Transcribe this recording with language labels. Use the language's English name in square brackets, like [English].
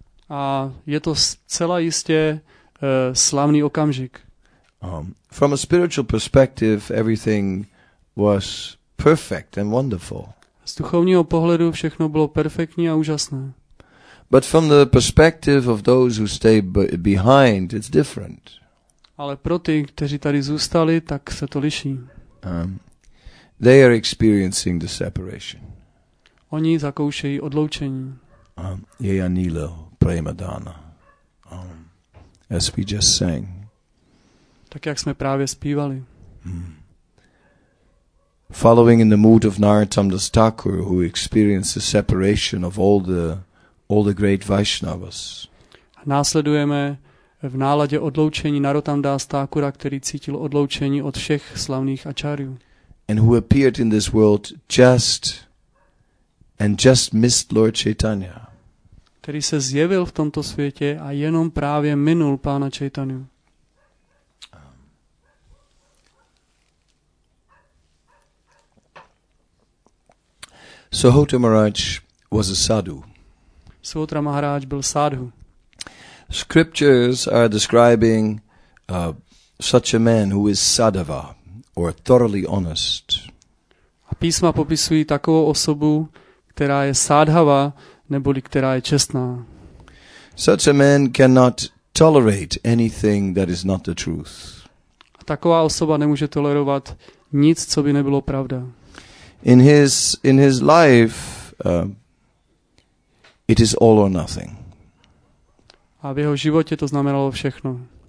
[Czech] A je to zcela jistě slavný okamžik. [English] From a spiritual perspective, everything was perfect and wonderful. [Czech] Z duchovního pohledu všechno bylo perfektní a úžasné. [English] But from the perspective of those who stay behind, it's different. [Czech] Ale pro ty, kteří tady zůstali, tak se to liší. [English] They are experiencing the separation. [Czech] Oni zakoušejí odloučení. [Bangla] Jejanilo, prema dana. [English] As we just sang. [Czech] Tak jak jsme právě zpívali. [English] Following in the mood of Narottam Das Thakur, who experienced the separation of all the great Vaishnavas. [Czech] Následujeme v náladě odloučení Narottam Das Thakura, který cítil odloučení od všech slavných ačáryů. [English] And who appeared in this world just missed Lord Chaitanya. [Czech] Který se zjevil v tomto světě a jenom právě minul pána Chaitanyu. [English] Suhota Maharaj was a sadhu. [Czech] Suhota Maharaj byl sadhu. [English] Scriptures are describing such a man who is sadhava or thoroughly honest. [Czech] A písma popisují takovou osobu, která je sádhava, neboli která je čestná. [English] Such a man cannot tolerate anything that is not the truth. [Czech] A taková osoba nemůže tolerovat nic, co by nebylo pravda. [English] In his life it is all or nothing. [Czech] A v jeho životě to znamenalo všechno.